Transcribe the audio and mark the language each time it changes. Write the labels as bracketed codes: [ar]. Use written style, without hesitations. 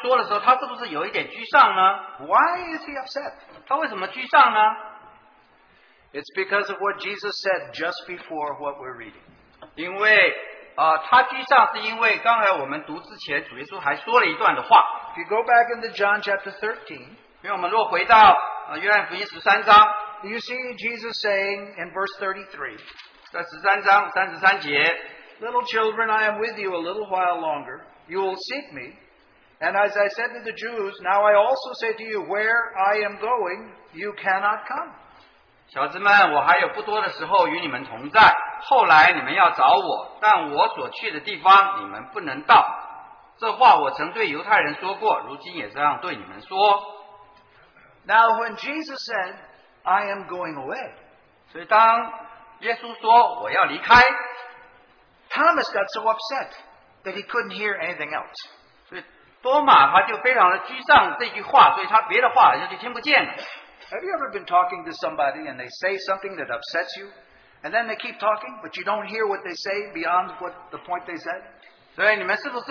[zh] 当我们是不是能够说多马这样子说的时候，他是不是有一点沮丧呢？ [en] Why is he upset? [zh] 他为什么沮丧呢？ [en] It's because of what Jesus said just before what we're reading. [zh] 因为他沮丧是因为刚才我们读之前，主耶稣还说了一段的话。 [en] If you go back into John chapter 13, [zh] 因为我们若回到约翰福音13章。 [en] You see Jesus saying in verse 33, [zh] 在13章33节, [en] little children, I am with you a little while longer. You will seek me. And as I said to the Jews, now I also say to you, where I am going, you cannot come. [zh] 小子们, 我还有不多的时候与你们同在, 后来你们要找我, 但我所去的地方, 你们不能到。这话我曾对犹太人说过, 如今也这样对你们说。 [en] Now when Jesus said, I am going away, [zh] 所以当耶稣说, 我要离开, [en] Thomas got so upset that he couldn't hear anything else. [zh] 多马他就非常的沮丧这句话，所以他别的话就听不见了。 [en] Have you ever been talking to somebody and they say something that upsets you, and then they keep talking, but you don't hear what they say beyond what the point they said?